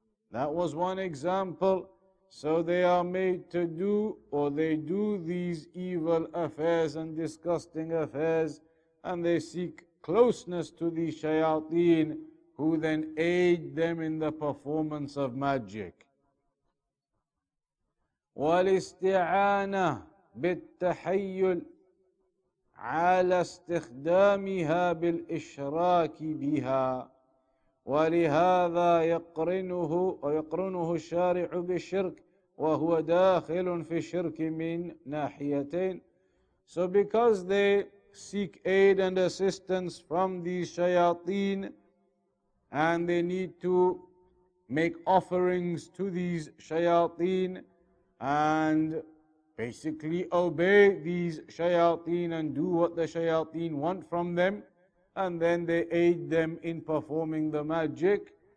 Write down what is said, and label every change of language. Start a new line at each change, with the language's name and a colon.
English: That was one example. So they are made to do, or they do these evil affairs and disgusting affairs, and they seek closeness to the shayateen, who then aid them in the performance of magic.
Arabic: والاستعانة بالتحيل على استخدامها بالإشراك بها. ولهذا يقرنه الشارع بالشرك وهو داخل في الشرك من ناحيتين.
English: So because they seek aid and assistance from these shayateen and they need to make offerings to these shayateen and basically obey these shayateen and do what the shayateen want from them, and then they aid them in performing the magic.